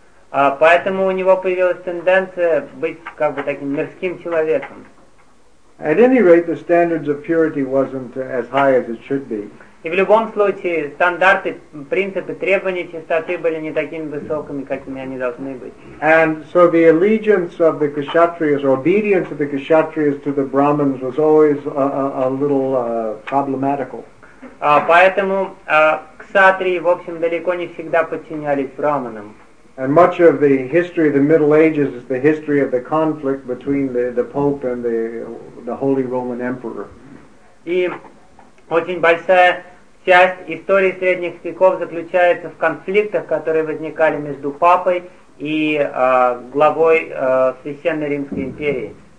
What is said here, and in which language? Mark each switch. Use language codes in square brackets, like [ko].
[ru] Поэтому у него появилась тенденция быть как бы таким мирским человеком. [en] At any rate, the standards of purity wasn't as high as it should be. [ru] И в любом случае, стандарты, принципы, требования чистоты были не такими высокими, какими они должны быть. [en] And so the allegiance of the kshatriyas, or obedience of the kshatriyas to the brahmins was always a little problematical. [ru] Поэтому кшатрии, в общем, далеко не всегда подчинялись брахманам. [en] And much of the history of the Middle Ages is the history of the conflict between the Pope and the Holy Roman Emperor. [ru] И очень большая часть истории средних веков заключается в конфликтах, которые возникали между папой и главой Священной Римской империи.